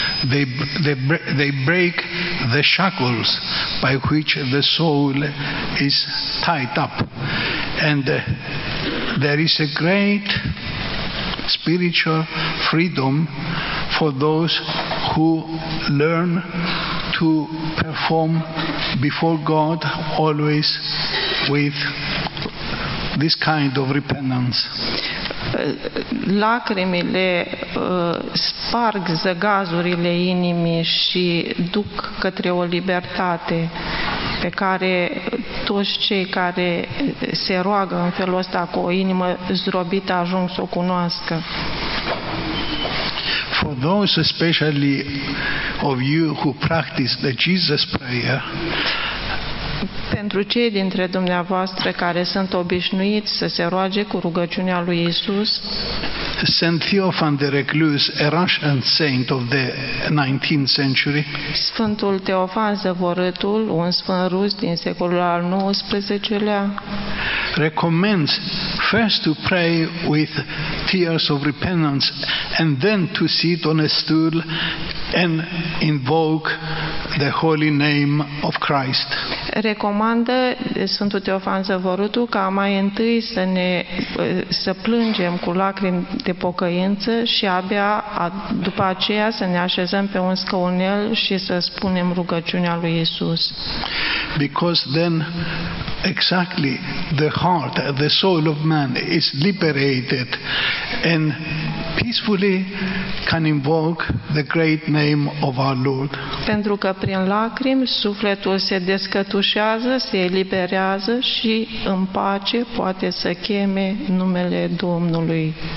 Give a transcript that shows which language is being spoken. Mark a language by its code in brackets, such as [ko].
[en] They break the shackles by which the soul is tied up, and there is a great spiritual freedom for those who learn to perform before God always with this kind of repentance. [ro] Lacrimile sparg zăgazurile inimii și duc către o libertate pe care toți cei care se roagă în felul ăsta cu o inimă zdrobită ajung să o cunoască. [en] For those especially of you who practice the Jesus prayer, [ro] pentru cei dintre dumneavoastră care sunt obișnuiți să se roage cu rugăciunea lui Iisus, [en] Saint Theophan de Recluse, a Russian saint of the 19th century, [ro] Sfântul Teofan Zăvorâtul, un sfânt rus din secolul al XIX-lea, [en] recommends first to pray with tears of repentance and then to sit on a stool and invoke the holy name of Christ. [ro] Recomandă Sfântul Teofan Zăvorâtul ca mai întâi să plângem cu lacrimi de pocăință și abia după aceea să ne așezăm pe un scaunel și să spunem rugăciunea lui Iisus. [en] Because then exactly the heart, the soul of man is liberated and peacefully can invoke the great name name of our Lord. [ro] Pentru că prin lacrimi sufletul se descătușează, se eliberează și în pace poate să cheme numele Domnului.